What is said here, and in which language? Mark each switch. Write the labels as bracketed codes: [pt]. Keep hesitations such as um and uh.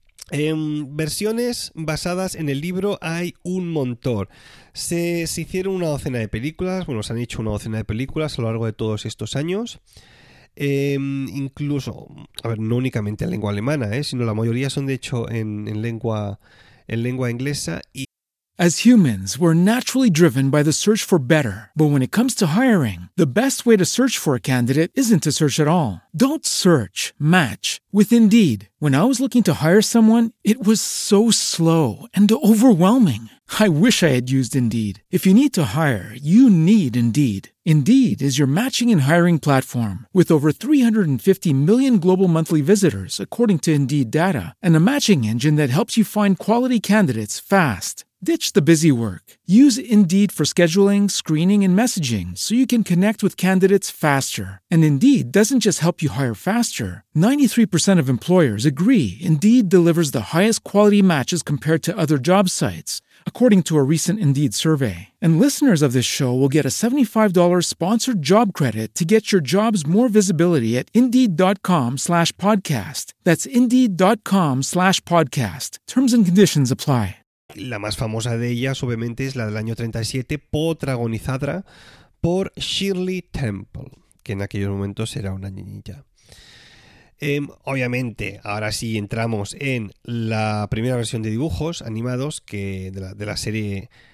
[es] En versiones basadas en el libro hay un montón. Se, se, hicieron una docena de películas, bueno, se han hecho una docena de películas a lo largo de todos estos años. Eh, incluso, a ver, no únicamente en lengua alemana, eh, sino la mayoría son de hecho en, en lengua, en lengua inglesa. Y... [en] As humans, we're naturally driven by the search for better. But when it comes to hiring, the best way to search for a candidate isn't to search at all. Don't search, match with Indeed. When I was looking to hire someone, it was so slow and overwhelming. I wish I had used Indeed. If you need to hire, you need Indeed. Indeed is your matching and hiring platform with over 350 million global monthly visitors, according to Indeed data, and a matching engine that helps you find quality candidates fast. Ditch the busy work. Use Indeed for scheduling, screening, and messaging so you can connect with candidates faster. And Indeed doesn't just help you hire faster. 93% of employers agree Indeed delivers the highest quality matches compared to other job sites, according to a recent Indeed survey. And listeners of this show will get a $75 sponsored job credit to get your jobs more visibility at Indeed.com slash podcast. That's Indeed.com slash podcast. Terms and conditions apply. [es] La más famosa de ellas, obviamente, es la del año 37, protagonizada por Shirley Temple, que en aquellos momentos era una niñilla. Eh, obviamente, ahora sí entramos en la primera versión de dibujos animados que de la, de la serie.